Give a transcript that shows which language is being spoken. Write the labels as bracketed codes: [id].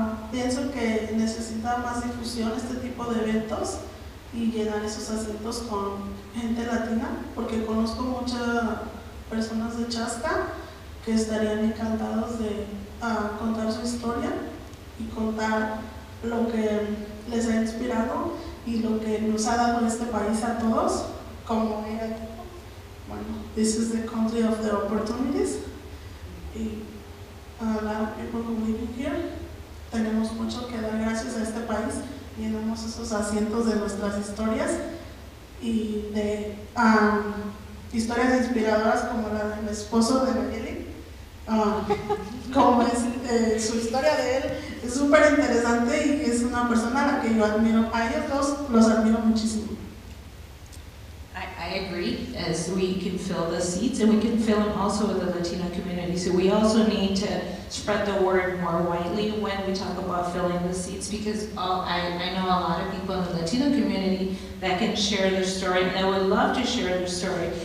[es] Pienso que necesita más difusión este tipo de eventos y llenar esos asientos con gente latina, porque conozco muchas personas de Chaska que estarían encantados de contar su historia y contar lo que les ha inspirado y lo que nos ha dado este país a todos, como ella dijo. [en] Bueno, this is the country of the opportunities. [es] Y [en] a lot of people who live here, [es] tenemos mucho que dar gracias a este país, llenamos esos asientos de nuestras historias y de historias inspiradoras como la del esposo de Nayeli. Como es su historia de él, es súper interesante y es una persona a la que yo admiro. A ellos dos los admiro muchísimo. [en] I agree, as we can fill the seats and we can fill them also with the Latino community. So we also need to spread the word more widely when we talk about filling the seats, because I know a lot of people in the Latino community that can share their story and that would love to share their story.